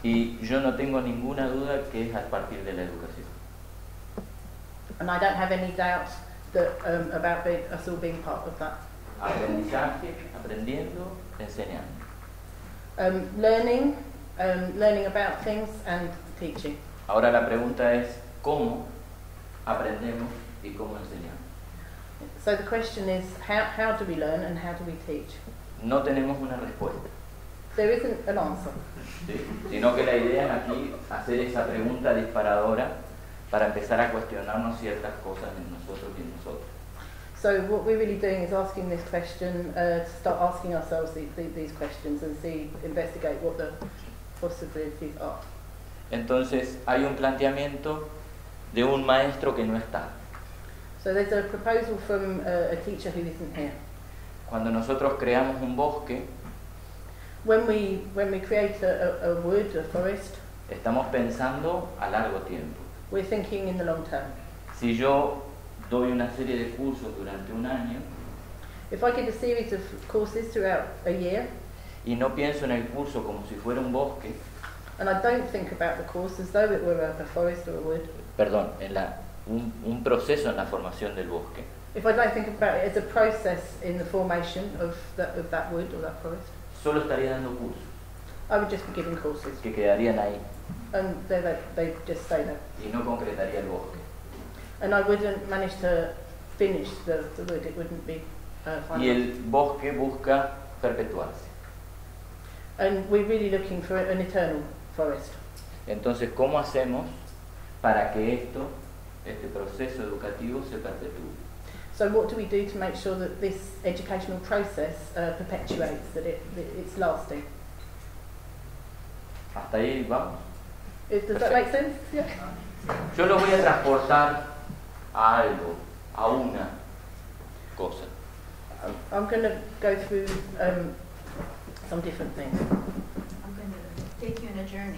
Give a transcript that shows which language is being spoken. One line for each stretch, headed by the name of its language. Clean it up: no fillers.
Spanish: Y yo no tengo ninguna duda que es a partir de la educación.
English: And I don't have any doubt that about us all being part of that.
Spanish: Aprendizaje, aprendiendo, enseñando.
English: Learning about things and teaching.
Spanish: Ahora la pregunta es cómo aprendemos y cómo enseñamos.
English: So the question is how do we learn and how do we teach?
Spanish: No tenemos una respuesta.
English: There isn't an answer.
Spanish: Sí, sino que la idea es aquí hacer esa pregunta disparadora para empezar a cuestionarnos ciertas cosas en nosotros y en nosotros.
English: So what we're really doing is asking this question, start asking ourselves these questions and see, investigate what the possibilities are.
Spanish: Entonces, hay un planteamiento de un maestro que no está.
English: So there's a proposal from a teacher who isn't here.
Spanish: Cuando nosotros creamos un bosque,
English: when we create a wood, a forest,
Spanish: estamos pensando a largo tiempo.
English: We're thinking in the long term.
Spanish: Si yo doy una serie de cursos durante un año.
English: If I give a series of courses throughout a year,
Spanish: y no pienso en el curso como si fuera un bosque.
English: And I don't think about the course as though it were a forest or a wood.
Spanish: Perdón, un proceso en la formación del bosque.
English: If I don't think about it as a process in the formation of that wood or that forest.
Spanish: Solo estaría dando cursos.
English: I would just be giving courses.
Spanish: Que quedarían ahí.
English: And they just stay there.
Spanish: Y no concretaría el bosque.
English: And I wouldn't manage to finish the wood, it wouldn't be final.
Spanish: Y el bosque busca perpetuarse.
English: And we're really looking for an eternal forest.
Spanish: Entonces, ¿cómo hacemos para que esto, este proceso educativo, se perpetúe?
English: So what do we do to make sure that this educational process perpetuates, that it's lasting?
Spanish: Hasta ahí vamos.
English: Does that make sense? Yeah.
Spanish: Yo lo voy a transportar a algo, a una cosa.
English: I'm going to go through some different things. I'm going to take you on a journey.